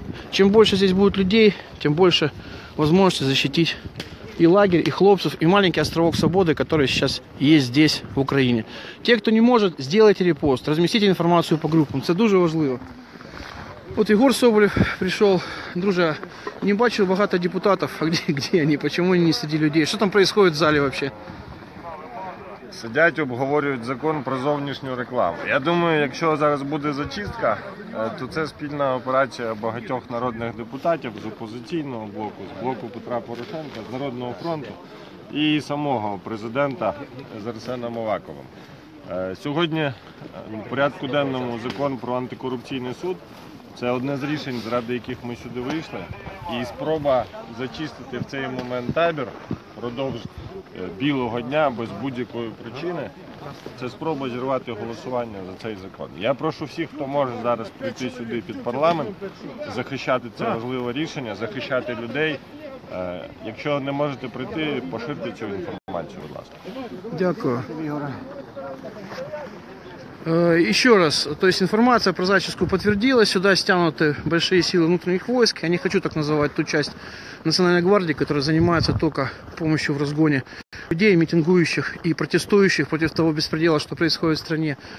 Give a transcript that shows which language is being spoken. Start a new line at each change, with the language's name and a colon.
Russian: Чем больше здесь будет людей, тем больше возможности защитить и лагерь, и хлопцев, и маленький островок свободы, который сейчас есть здесь, в Украине. Те, кто не может, сделайте репост, разместите информацию по группам.
Ukrainian: Це дуже важливо.
Russian: Вот Егор Соболев пришел.
Ukrainian: Друже, не бачу багато депутатов.
Russian: А где они? Почему они не среди людей? Что там происходит в зале вообще?
Ukrainian: Сидять, обговорюють закон про зовнішню рекламу. Я думаю, якщо зараз буде зачистка, то це спільна операція багатьох народних депутатів з опозиційного блоку, з блоку Петра Порошенка, з Народного фронту і самого президента з Арсеном Аваковим. Сьогодні в порядку денному закон про антикорупційний суд. Це одне з рішень, заради яких ми сюди вийшли. І спроба зачистити в цей момент табір продовж білого дня без будь-якої причини, це спроба зірвати голосування за цей закон. Я прошу всіх, хто може зараз прийти сюди під парламент, захищати це важливе рішення, захищати людей. Якщо не можете прийти, поширте цю інформацію, будь ласка. Дякую.
Russian: Еще раз, то есть информация про зачистку подтвердилась, сюда стянуты большие силы внутренних войск, я не хочу так называть ту часть Национальной гвардии, которая занимается только помощью в разгоне людей, митингующих и протестующих против того беспредела, что происходит в стране.